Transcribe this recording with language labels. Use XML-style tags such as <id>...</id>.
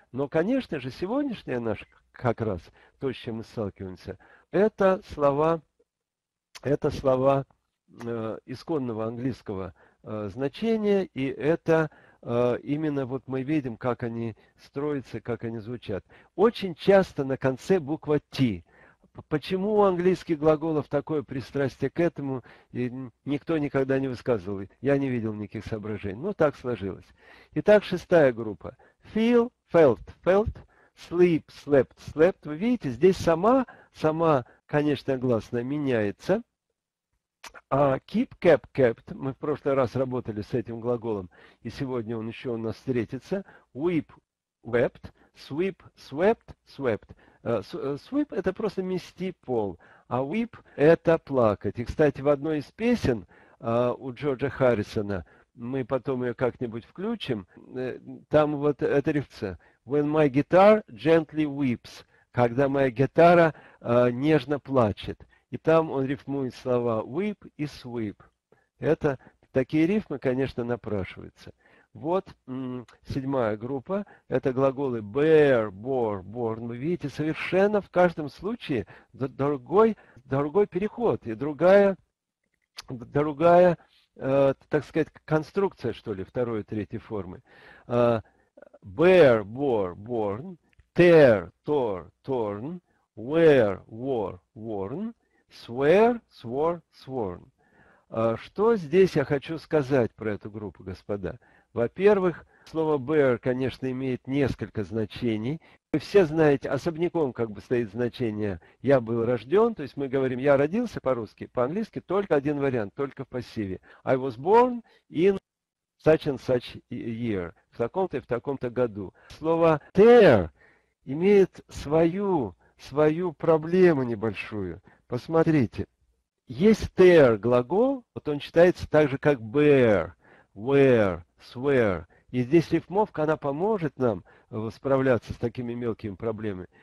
<ru>Но, конечно же, сегодняшнее наше, как раз то, с чем мы сталкиваемся, это слова исконного английского значения, и это именно вот мы видим, как они строятся, как они звучат. Очень часто на конце буква «т». Почему у английских глаголов такое пристрастие к этому, и никто никогда не высказывал, я не видел никаких соображений, но так сложилось. Итак, шестая группа.</ru> <en>Feel, felt, felt, sleep, slept, slept.</en> <ru>Вы видите, здесь сама, конечно, гласная меняется. А</ru> <en>keep, kept, kept,</en> <ru>мы в прошлый раз работали с этим глаголом, и сегодня он еще у нас встретится.</ru> <en>Weep, wept, sweep, swept, swept.</en> <ru>Sweep – это просто мести пол, а weep – это плакать. И, кстати, в одной из песен у Джорджа Харрисона, мы потом ее как-нибудь включим, там вот эта рифмуется.</ru> <en>When my guitar gently weeps –</en> <ru>когда моя гитара нежно плачет. И там он рифмует слова weep и sweep. Это такие рифмы, конечно, напрашиваются. Вот седьмая группа, это глаголы</ru> <en>bear, bore, born.</en> <ru>Вы видите, совершенно в каждом случае другой переход и другая так сказать, конструкция, что ли, второй и третьей формы.</ru> <en>Bear, bore, born, tear, tore, torn, wear, wore, worn, swear, swore, sworn.</en> <ru>Что здесь я хочу сказать про эту группу, господа? Во-первых, слово bear, конечно, имеет несколько значений. Вы все знаете, особняком как бы стоит значение «я был рожден», то есть мы говорим «я родился» по-русски, по-английски только один вариант, только в пассиве.</ru> <en>I was born in such and such year,</en> <ru>в таком-то и в таком-то году. Слово tear имеет свою проблему небольшую. Посмотрите, есть tear глагол, вот он читается так же, как bear, wear, swear. И здесь рифмовка, она поможет нам справляться с такими мелкими проблемами.</ru>